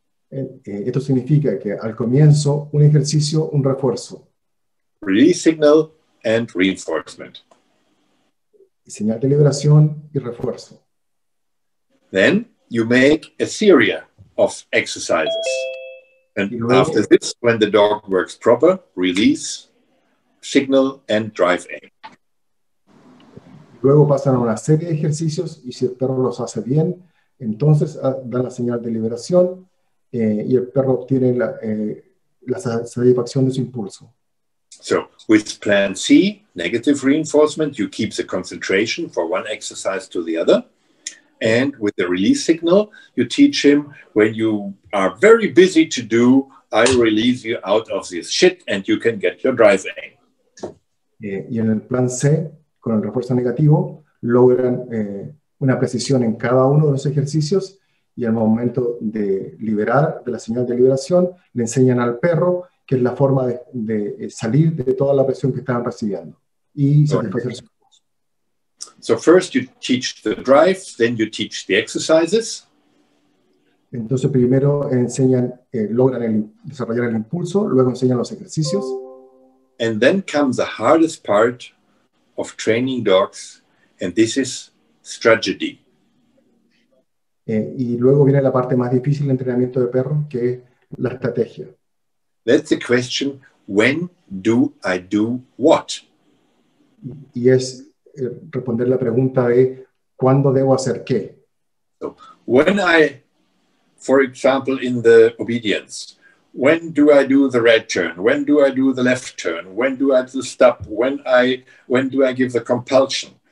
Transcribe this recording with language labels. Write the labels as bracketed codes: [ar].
[es] Esto significa que al comienzo, un ejercicio, un refuerzo. [en] Release signal and reinforcement. [es] Señal de liberación y refuerzo. [en] Then you make a series of exercises. And [es] luego, [en] after this, when the dog works proper, release, signal, and drive aim. [es] Luego pasan a una serie de ejercicios y si el perro los hace bien, entonces da la señal de liberación y el perro obtiene la satisfacción de su impulso. [en] So, with plan C, negative reinforcement, you keep the concentration for one exercise to the other. And with the release signal, you teach him when you are very busy to do, I release you out of this shit and you can get your drive aim. [es] Y en el plan C, con el refuerzo negativo, logran una precisión en cada uno de los ejercicios y al momento de liberar, de la señal de liberación, le enseñan al perro que es la forma de salir de toda la presión que estaban recibiendo y satisfacer su. [en] So first you teach the drive, then you teach the exercises. [es] Entonces primero enseñan, logran desarrollar el impulso, luego enseñan los ejercicios. [en] And then comes the hardest part of training dogs, and this is strategy. [es] Y luego viene la parte más difícil del entrenamiento de perros, que es la estrategia. [en] That's the question, when do I do what? [es] Y es responder la pregunta de ¿cuándo debo hacer qué? [en] So, when I, for example, in the obedience, when do I do the right turn? When do I do the left turn? When do I do the stop? When do I give the compulsion?